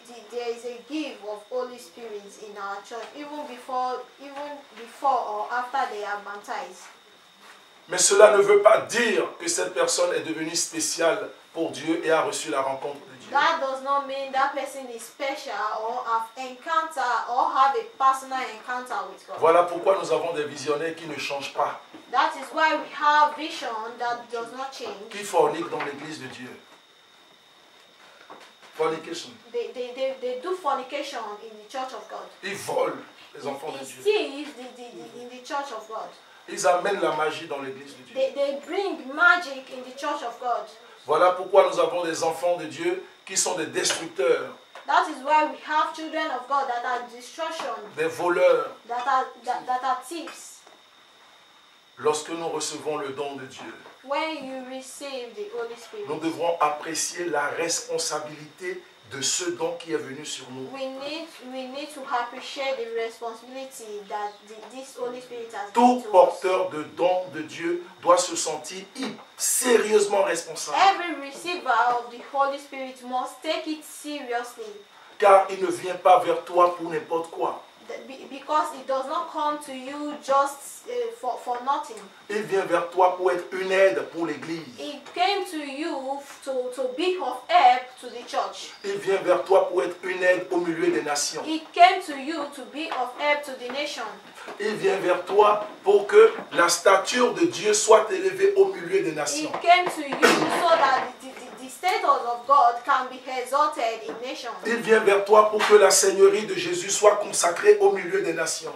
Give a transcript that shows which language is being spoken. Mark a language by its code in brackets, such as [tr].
[en] There is a gift of Holy Spirit in our church even before or after they are baptized. [fr] Mais cela ne veut pas dire que cette personne est devenue spéciale pour Dieu et a reçu la rencontre de Dieu. [en] That does not mean that person is special or have encounter or have a personal encounter with God. [fr] Voilà pourquoi nous avons des visionnaires qui ne changent pas. [en] That is why we have vision that does not change. [fr] Qui fornique dans l'église de Dieu? [en] Fornication. They do fornication in the church of God. [fr] Ils volent les enfants de Dieu. [en] In the church of God. [fr] Ils amènent la magie dans l'église de Dieu. [en] They bring magic in the church of God. [fr] Voilà pourquoi nous avons des enfants de Dieu qui sont des destructeurs. [en] That is why we have children of God that are destruction. [fr] Des voleurs. [en] That are thieves. [fr] Lorsque nous recevons le don de Dieu, [en] when you receive the Holy Spirit, [fr] nous devons apprécier la responsabilité de ce don qui est venu sur nous. [en] We need to appreciate the responsibility that this Holy Spirit has. [fr] Tout porteur de don de Dieu doit se sentir sérieusement responsable. [en] Every receiver of the Holy Spirit must take it seriously. [fr] Car il ne vient pas vers toi pour n'importe quoi. [en] Because it does not come to you just for nothing. [fr] Il vient vers toi pour être une aide pour l'église. [en] It came to you to be of help to the church. [fr] Il vient vers toi pour être une aide au milieu des nations. [en] It came to you to be of help to the nation. [fr] Il vient vers toi pour que la stature de Dieu soit élevée au milieu des nations. [en] It came to you so that the status of God can be exalted in nations. [fr] Il vient vers toi pour que la seigneurie de Jésus soit consacrée au milieu des nations.